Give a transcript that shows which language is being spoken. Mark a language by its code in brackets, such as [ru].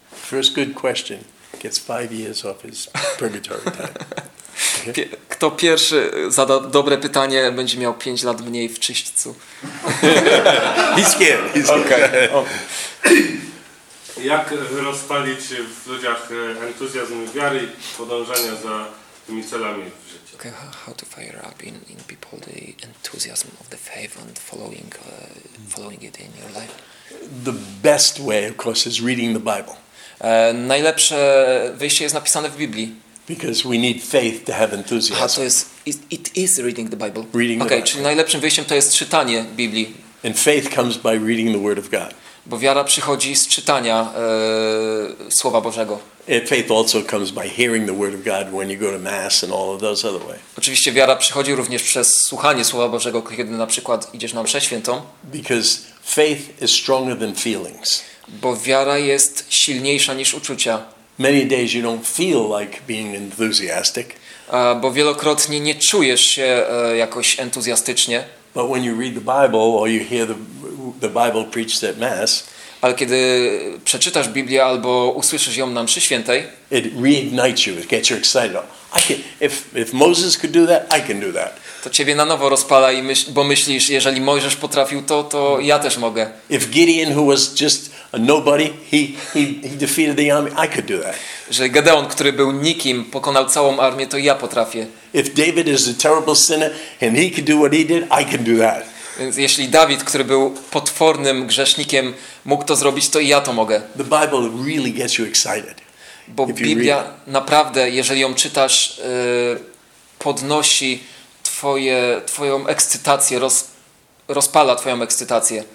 [en] First good question gets 5 years off his purgatory time. Okay? [pl] Kto pierwszy zada dobre pytanie, będzie miał 5 lat mniej w czyśćcu. [en] He's here. He's okay. Here. [pl] Jak rozpalić w ludziach entuzjazm wiary i podążania za tymi celami w życiu? [en] Okay, how to fire up in people the enthusiasm of the faith and following it in your life? The best way, of course, is reading the Bible. [pl] Najlepsze wyjście jest napisane w Biblii. [en] Because we need faith to have enthusiasm. So it is reading the Bible. Reading okay, the [pl] czyli najlepszym wyjściem to jest czytanie Biblii. [en] And faith comes by reading the Word of God. [pl] Bo wiara przychodzi z czytania Słowa Bożego. [en] Faith also comes by hearing the Word of God when you go to Mass and all of those other ways. [pl] Oczywiście wiara przychodzi również przez słuchanie Słowa Bożego, kiedy na przykład idziesz na mszę świętą. [en] Because faith is stronger than feelings. [pl] Bo wiara jest silniejsza niż uczucia. [en] Many days you don't feel like being enthusiastic. [pl] Bo wielokrotnie nie czujesz się jakoś entuzjastycznie. [en] But when you read the Bible or you hear the Bible preached at Mass, [pl] ale kiedy przeczytasz Biblię albo usłyszysz ją na mszy świętej, [en] it reignites you, it gets you excited. If Moses could do that, I can do that. [pl] To ciebie na nowo rozpala i bo myślisz, jeżeli Mojżesz potrafił to ja też mogę. [en] If Gideon, who was just a nobody, he defeated the army, I could do that. [pl] Że Gedeon, który był nikim, pokonał całą armię, to ja potrafię. [en] If David is a terrible sinner and he could do what he did, I can do that. [pl] Więc jeśli Dawid, który był potwornym grzesznikiem, mógł to zrobić, to i ja to mogę. [en] The Bible really gets you excited. [pl] Bo Biblia naprawdę, jeżeli ją czytasz, podnosi twoją ekscytację, rozpala twoją ekscytację.